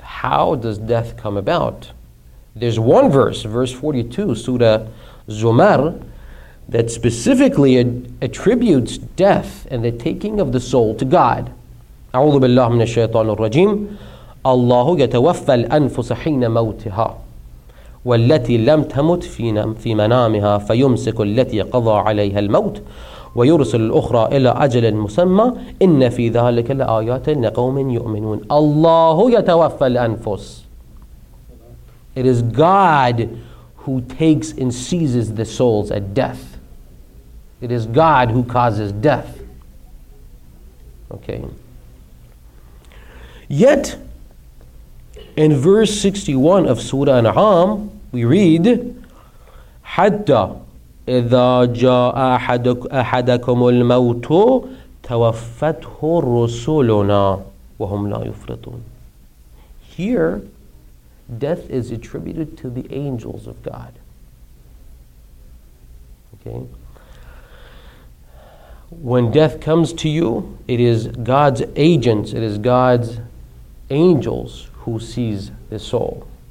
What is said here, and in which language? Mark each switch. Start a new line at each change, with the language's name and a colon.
English: How does death come about? There's one verse, verse 42, Surah Zumar, that specifically attributes death and the taking of the soul to God.
Arabic: أعوذ بالله من الشيطان الرجيم. الله يتوفى الأنفس حين موتها والتي لم تمت في منامها فيمسك التي قضى عليها الموت ويرسل الأخرى إلى أجل مسمى إن في ذلك لآيات لقوم يؤمنون. الله يتوفى الأنفس.
English: It is God who takes and seizes the souls at death. It is God who causes death. Okay. Yet, In verse 61 of Surah An'am, we read,
Arabic: حَتَّى إِذَا جَاءَ أَحَدَكُمُ الْمَوْتُ تَوَفَّتْهُ رُسُولُنَا وَهُمْ لَا يُفْرِطُونَ.
English: Here, death is attributed to the angels of God. Okay? When death comes to you, it is God's agents, it is God's angels who sees the soul.